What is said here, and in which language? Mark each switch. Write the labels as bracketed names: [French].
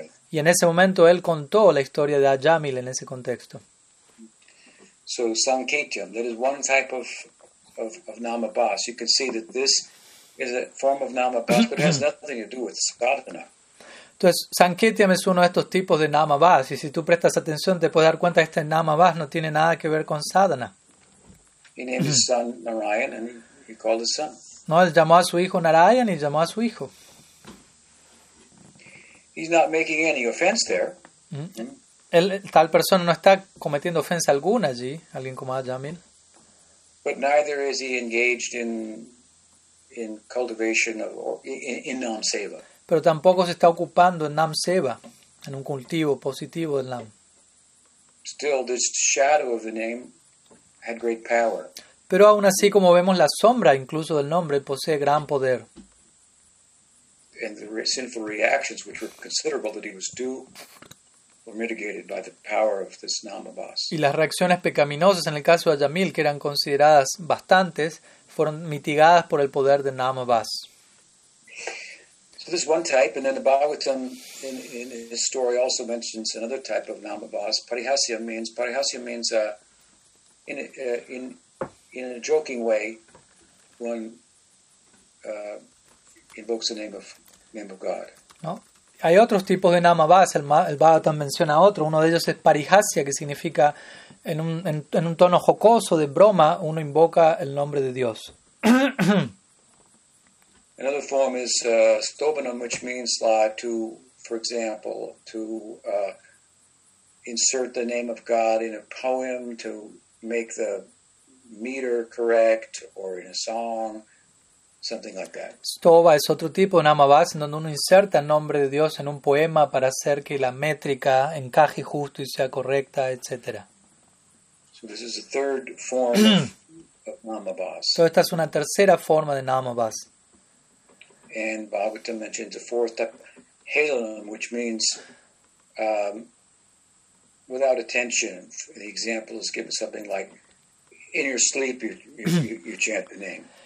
[Spanish] Y en ese momento él contó la historia de Ajamil en ese contexto. [English] So Sanketyam, that is one type of Namabhas. You can see that this is a form of Namabhas, but it has nothing to do with Sadhana. [Spanish] Entonces, Sanketyam es uno de estos tipos de Namabhas, y si tú prestas atención te puedes dar cuenta que este Namabhas no tiene nada que ver con Sadhana. [English] He named his son Narayan, and he called his son. [Spanish] No, él llamó a su hijo Narayan y llamó a su hijo. [English] He's not making any offense there. [Spanish] El tal persona no está cometiendo ofensa alguna allí, alguien como Ajamil. [English] But neither is he engaged in cultivation or in nam seva. [Spanish] Pero tampoco se está ocupando en nam seva, en un cultivo positivo del nam. [English] Still, this shadow of the name had great power. [Spanish] Pero aún así, como vemos, la sombra incluso del nombre posee gran poder. [English] And the sinful reactions, which were considerable that he was due, were mitigated by the power of this Namabhas. [Spanish] Y las reacciones pecaminosas en el caso de Ajamil, que eran consideradas bastantes, fueron mitigadas por el poder de Namabhas. [English] So this one type, and then the Bhagavatam in his story also mentions another type of Namabhas. Parihasya means in a joking way, one invokes the name of God. [Spanish] No, hay otros tipos de Namabhas. El Bhagavatam menciona otro. Uno de ellos es Parihasya, que significa en un tono jocoso de broma, uno invoca el nombre de Dios. [English] Another form is Stobanam, which means to insert the name of God in a poem to make the meter correct, or in a song, something like that. [Spanish] Stova es otro tipo de Namabhas, en donde uno inserta el nombre de Dios en un poema para hacer que la métrica encaje justo y sea correcta, etc. [English] So this is a third form of Namabhas. So [Spanish] esta es una tercera forma de Namabhas. [English] And Bhagavatam mentions a fourth type, Halanam, which means without attention. The example is given something like, in your sleep you chant the name.